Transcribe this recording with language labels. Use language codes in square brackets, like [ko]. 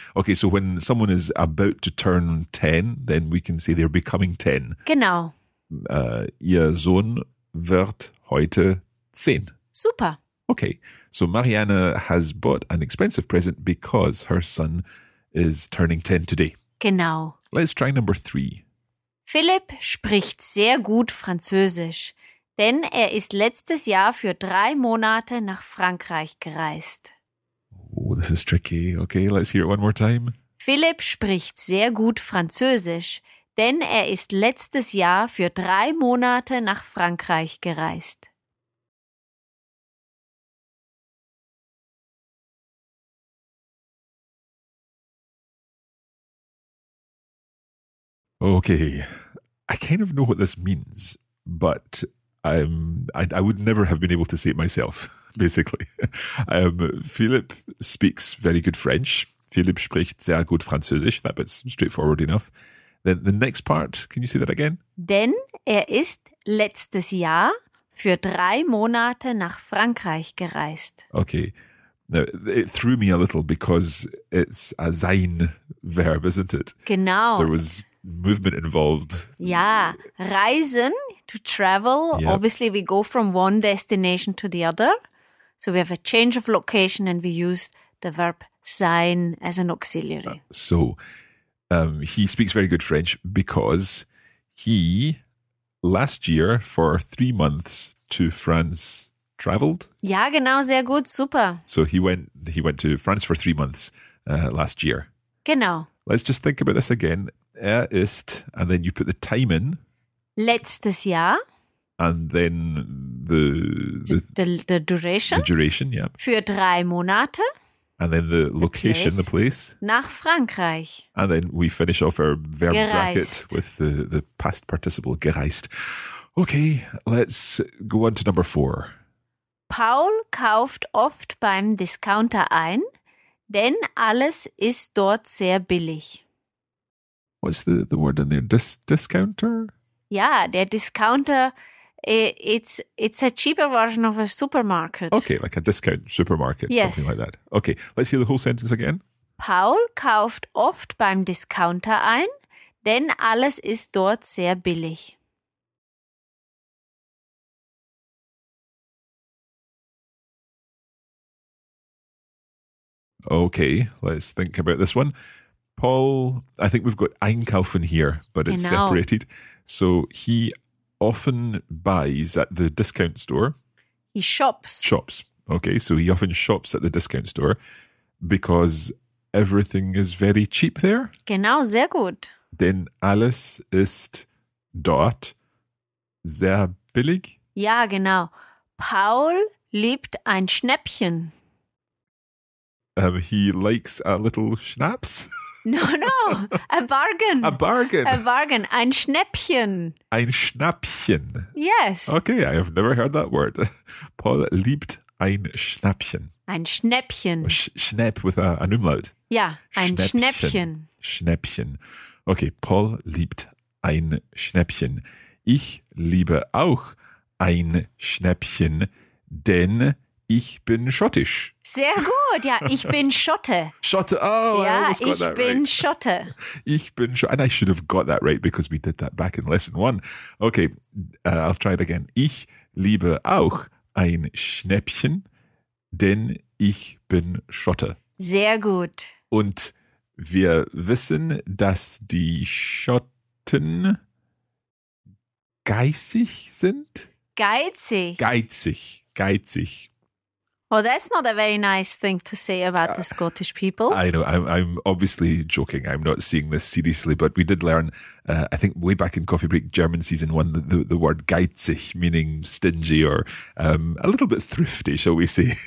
[en] Okay, so when someone is about to turn 10, then we can say they're becoming 10. [de] Genau. Ihr Sohn wird heute 10. Super. [en] Okay, so Marianne has bought an expensive present because her son is turning 10 today. [de] Genau. [en] Let's try number 3. [de] Philipp spricht sehr gut Französisch. Denn er ist letztes Jahr für 3 Monate nach Frankreich gereist. [en] Oh, this is tricky. Okay, let's hear it one more time. [de] Philipp spricht sehr gut Französisch, denn er ist letztes Jahr für 3 Monate nach Frankreich gereist. [en] Okay, I kind of know what this means, but I would never have been able to say it myself, basically. Philipp speaks very good French. [de] Philipp spricht sehr gut Französisch. [en] That bit's straightforward enough. Then the next part, can you say that again? [de] Denn er ist letztes Jahr für 3 Monate nach Frankreich gereist. [en] Okay. Now, it threw me a little because it's a sein verb, isn't it? [de] Genau. [en] There was movement involved. Yeah. Reisen, to travel. Yep. Obviously, we go from one destination to the other. So we have a change of location and we use the verb sein as an auxiliary. So he speaks very good French because he, last year, for 3 months to France, traveled. [de] Yeah, genau, sehr gut, super. [en] So he went to France for 3 months last year. [de] Genau. [en] Let's just think about this again. [de] Er ist, [en] and then you put the time in. [de] Letztes Jahr. [en] And then the duration. The duration, yeah. [de] Für 3 Monate. [en] And then the location, place. The place. [de] Nach Frankreich. [en] And then we finish off our verb bracket with the past participle, gereist. Okay, let's go on to number 4. [de] Paul kauft oft beim Discounter ein, denn alles ist dort sehr billig. [en] What's the word in there? Discounter? Yeah, der Discounter, it's a cheaper version of a supermarket. Okay, like a discount supermarket, yes. Something like that. Okay, let's hear the whole sentence again. [de] Paul kauft oft beim Discounter ein, denn alles ist dort sehr billig. [en] Okay, let's think about this one. Paul, I think we've got einkaufen here, but it's separated. So he often buys at the discount store. He shops. Shops. Okay, so he often shops at the discount store because everything is very cheap there. [de] Genau, sehr gut. Denn alles ist dort sehr billig. Ja, genau. Paul liebt ein Schnäppchen. [en] He likes a little schnapps. No, a bargain. A bargain. A bargain. [de] Ein Schnäppchen. Ein Schnäppchen. [en] Yes. Okay, I have never heard that word. [de] Paul liebt ein Schnäppchen. Ein Schnäppchen. Schnäpp with an umlaut. Ja, ein Schnäppchen. Schnäppchen. Okay, Paul liebt ein Schnäppchen. Ich liebe auch ein Schnäppchen, denn ich bin schottisch. Sehr gut, ja, ich bin Schotte. Schotte, oh, ja, ich bin [en] right. [de] Schotte. Ich bin Schotte. [en] And I should have got that right because we did that back in lesson one. Okay, I'll try it again. [de] Ich liebe auch ein Schnäppchen, denn ich bin Schotte. Sehr gut. Und wir wissen, dass die Schotten geizig sind. Geizig. Geizig, geizig. [en] Well, that's not a very nice thing to say about the Scottish people. I know. I'm obviously joking. I'm not seeing this seriously, but we did learn, I think way back in Coffee Break German season one, the word geizig, meaning stingy or a little bit thrifty, shall we say?